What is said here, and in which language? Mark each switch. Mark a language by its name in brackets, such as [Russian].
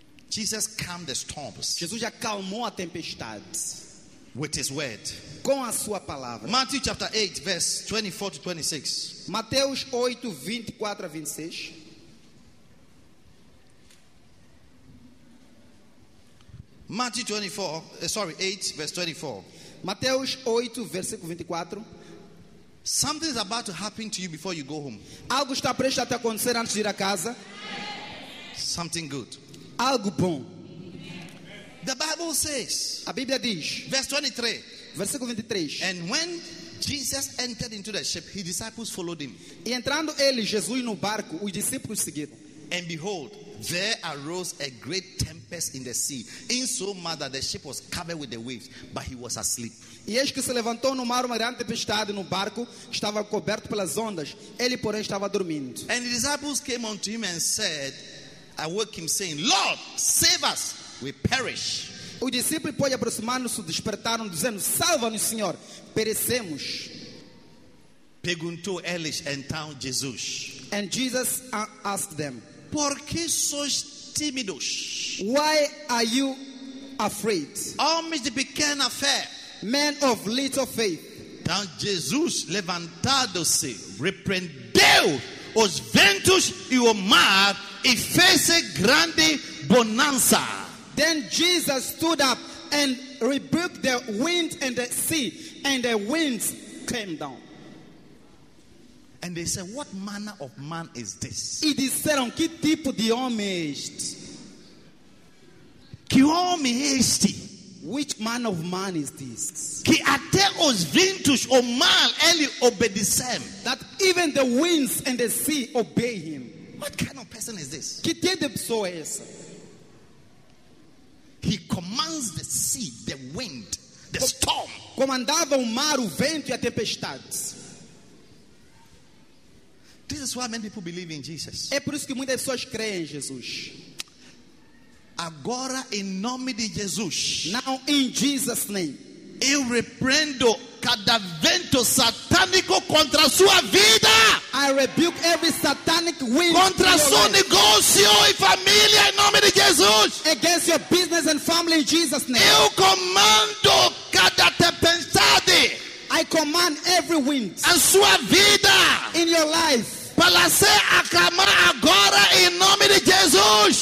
[English] Jesus calmed the storms. [Portuguese] Jesus acalmou a tempestade [English] with his word. [Portuguese] Com a sua palavra. [English] Matthew chapter 8 verse 24 to 26. [Portuguese] Mateus 8, 24 a 26. [English] Matthew 24, 8 verse 24. [Portuguese] Mateus 8 versículo 24. [English] Something is about to happen to you before you go home. [Portuguese] Algo está prestes a te acontecer antes de ir a casa. [English] Something good. [Portuguese] Algo bom. [English] The Bible says. [Portuguese] A Bíblia diz. [English] Verse 23. [Portuguese] Versículo 23. [English] And when Jesus entered into the ship, his disciples followed him. [Portuguese] E entrando ele, Jesus, no barco, os discípulos seguiram. [English] And behold, there arose a great tempest in the sea, insomuch that the ship was covered with the waves, but he was asleep. [Portuguese] E eis que se levantou no mar uma grande tempestade, no barco estava coberto pelas ondas, ele porém estava dormindo. [English] And the disciples came unto him and said, awake him, saying, Lord, save us, we perish. [Portuguese] O discípulo pôde aproximar-se, despertaram, dizendo, salva-nos, Senhor, perecemos. Perguntou eles então Jesus. [English] And Jesus asked them, [Portuguese] por que sois tímidos? [English] Why are you afraid? [Portuguese] Homens de pequena fé. [English] Men of little faith. [Portuguese] Então Jesus levantado-se, repreendeu os ventos e o mar e fez grande bonança. [English] Then Jesus stood up and rebuked the wind and the sea, and the winds came down. And they said, what manner of man is this? [Portuguese] E disseram, que tipo de homem é este? Que homem é este? [English] Which man of man is this? [Portuguese] Que até os ventos, o mar, ele obedecem. [English] That even the winds and the sea obey him. What kind of person is this? [Portuguese] Que tipo de pessoa é essa? [English] He commands the sea, the wind, the storm. [Portuguese] Comandava o mar, o vento e a tempestade. [English] This is why many people believe in Jesus. [Portuguese] É por isso que muitas pessoas creem em Jesus. Agora em nome de Jesus. [English] Now in Jesus' name. [Portuguese] Eu repreendo cada vento satânico contra sua vida. [English] I rebuke every satanic wind [Portuguese] contra seu negócio e família em nome de Jesus. [English] Against your business and family in Jesus' name. [Portuguese] Eu comando cada tempestade. [English] I command every wind [Portuguese] em sua vida. [English] In your life. [Portuguese] Para ser acalmado agora em nome de Jesus.